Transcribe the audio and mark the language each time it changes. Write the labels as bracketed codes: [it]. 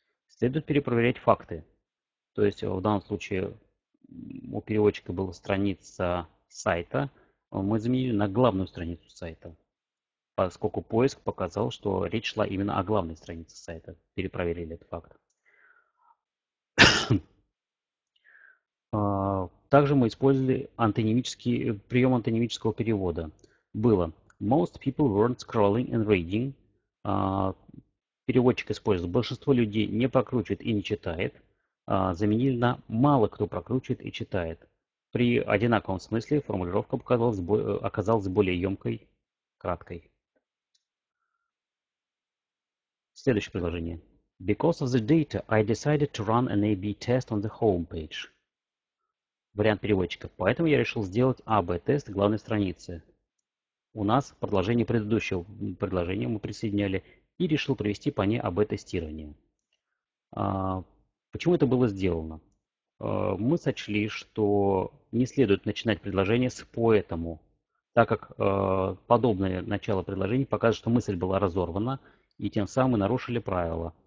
[ru] Следует перепроверять факты. То есть в данном случае у переводчика была страница сайта, мы заменили на главную страницу сайта, поскольку поиск показал, что речь шла именно о главной странице сайта. Перепроверили этот факт. Также мы использовали прием антонимического перевода. Было [en] «Most people weren't scrolling and reading». [ru] Переводчик использовал «Большинство людей не прокручивает и не читает». Заменили на «Мало кто прокручивает и читает». При одинаковом смысле формулировка оказалась более емкой, краткой. Следующее предложение. [en] Because of the data, I decided to run an A-B test on the homepage. [ru] Вариант переводчика. Поэтому я решил сделать A-B тест главной страницы. У нас продолжение предыдущего предложения мы присоединяли и решил провести по ней A-B тестирование. Почему это было сделано? Мы сочли, что не следует начинать предложение с поэтому, так как подобное начало предложения показывает, что мысль была разорвана, и тем самым мы нарушили правило.